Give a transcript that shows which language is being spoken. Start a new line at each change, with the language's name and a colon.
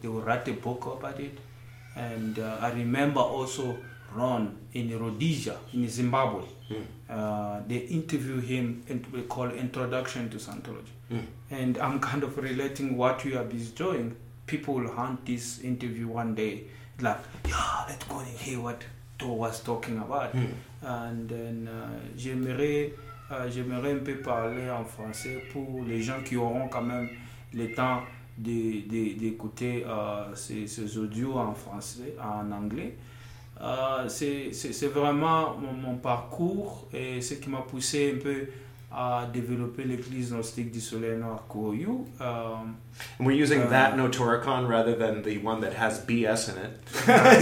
English: They will write a book about it. And I remember also Ron in Rhodesia, in Zimbabwe. Mm. They interview him and we call Introduction to Scientology. Mm. And I'm kind of relating what you are doing. People will hunt this interview one day. Like, yeah, let's go and hear what Thor was talking about. Mm. And then
French: j'aimerais un peu parler en français pour les gens qui auront quand même le temps d'écouter ces audios en français, en anglais. C'est vraiment mon parcours et ce qui m'a poussé un peu à développer l'église gnostique du Soleil Noir Kuo-Yu.
English: We're using that Notoricon rather than the one that has BS in it.